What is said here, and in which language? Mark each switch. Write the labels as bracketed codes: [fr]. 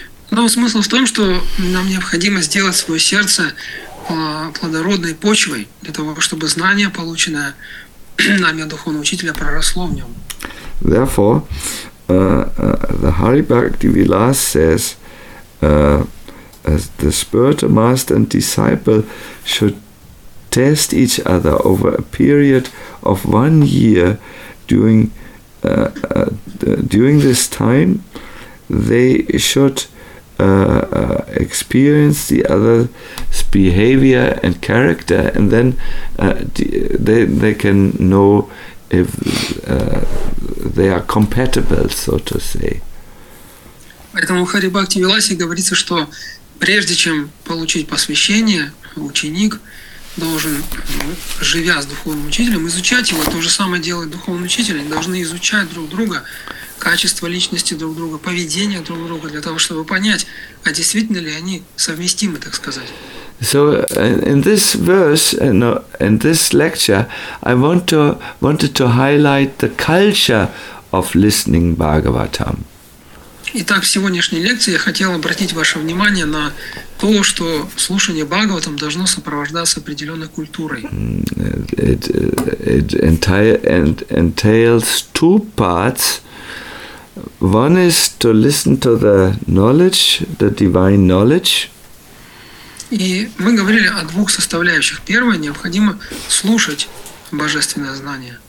[ru] Но смысл в том, что нам необходимо сделать свое сердце плодородной почвой для того, чтобы знание, полученное нами от духовного учителя, проросло в нем. [en] Therefore, the Hari Bhakti Vilas says, as the spiritual master and disciple should test each other over a period of 1 year during this time, they should experience the other's behavior and character, and then they can know if they are compatible, so to say. [ru] Поэтому в Хари Бхакти Виласе говорится, что прежде чем получить посвящение, ученик должен, живя с духовным учителем, изучать его. То же самое делает духовный учитель. Они должны изучать друг друга, качество личности друг друга, поведение друг друга, для того, чтобы понять, а действительно ли они совместимы, так сказать. [en] So in this verse, in this lecture, I wanted to highlight the culture of listening Bhagavatam. [ru] Итак, в сегодняшней лекции я хотел обратить ваше внимание на то, что слушание Бхагаватам должно сопровождаться определенной культурой. [en] It entails two parts. One is to listen to the knowledge, the divine knowledge. [ru] И мы говорили о двух составляющих. Первое, необходимо слушать божественное знание.